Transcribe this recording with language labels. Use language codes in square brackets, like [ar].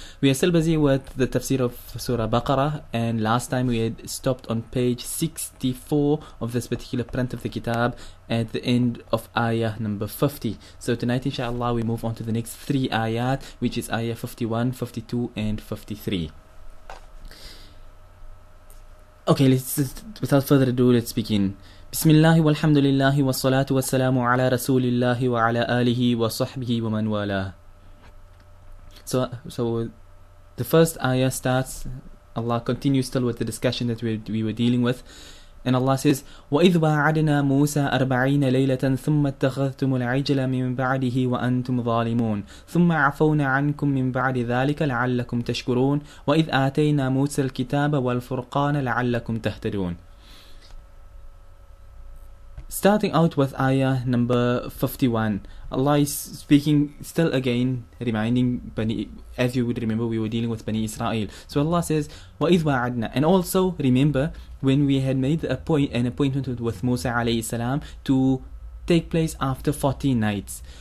[en] We are still busy with the Tafseer of Surah Baqarah, and last time we had stopped on page 64 of this particular print of the kitab, at the end of ayah number 50. So tonight, inshallah, we move on to the next three ayat, which is ayah 51, 52, and 53. Okay, without further ado, let's begin. [ar] بسم الله والحمد لله والصلاة والسلام على رسول الله وعلى آله وصحبه ومن والاه. [en] So the first ayah starts, Allah continues still with the discussion that we were dealing with, and Allah says, [ar] وَإِذْ وَاعَدْنَا مُوسَى 40 لَيْلَةً ثُمَّ اتَّخَذْتُمُ الْعِجْلَ مِنْ بَعْدِهِ وَأَنْتُمْ ظَالِمُونَ ثُمَّ عَفَوْنَا عَنْكُمْ مِنْ بَعْدِ ذَلِكَ لَعَلَّكُمْ تَشْكُرُونَ وَإِذْ آتَيْنَا مُوسَى الْكِتَابَ وَالْفُرْقَانَ لَعَلَّكُمْ تَهْتَدُونَ. [en] Starting out with ayah number 51, Allah is speaking still again, reminding Bani, as you would remember, we were dealing with Bani Israel. So Allah says, [ar] وَإِذْ وَاعَدْنَا, [en] and also remember when we had made an appointment with Musa alayhi salam to take place after 40 nights.